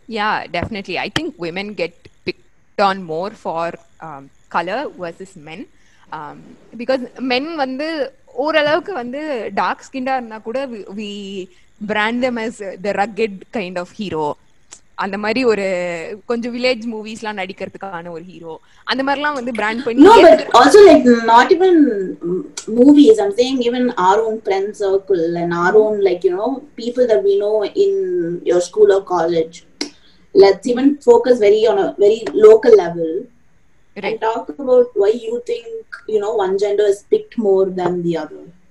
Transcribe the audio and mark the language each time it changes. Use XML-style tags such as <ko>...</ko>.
<en>Yeah, definitely. I think women get picked on more for color versus men. Because men</en> <ta>vandu oralavukku vandu dark skinned ah irna kuda</ta> <en>we brand them as the rugged kind of hero.</en> <ta>அந்த மாதிரி ஒரு கொஞ்சம் village movies எல்லாம் நடிக்கிறதுக்கான ஒரு hero அந்த மாதிரி எல்லாம் வந்து பிராண்ட் பண்ணி.</ta> <en>No, but also like not even movies, I'm saying even our own friend circle and our own like, you know, people that we know in your school or college, let's even focus very on a very local level, right? And talk about why you think, you know, one gender is picked more than the other.</en>